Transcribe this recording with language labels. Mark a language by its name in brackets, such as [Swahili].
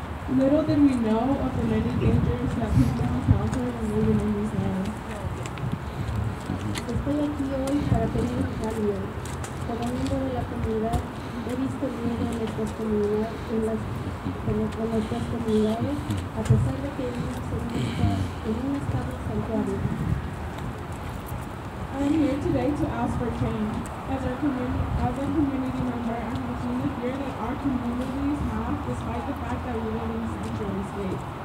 [English] Little did we know of the many dangers that people encounter when living in these lands. [Spanish] Estoy aquí hoy para pedir un cambio. Como miembro de la comunidad, he visto miedo en nuestras comunidades, en nuestras comunidades, a pesar de que vivimos en un estado santuario. [English] I'm here today to ask for change. As a community member, I'm seeing the fear that our communities have, despite the fact that we live in Central State.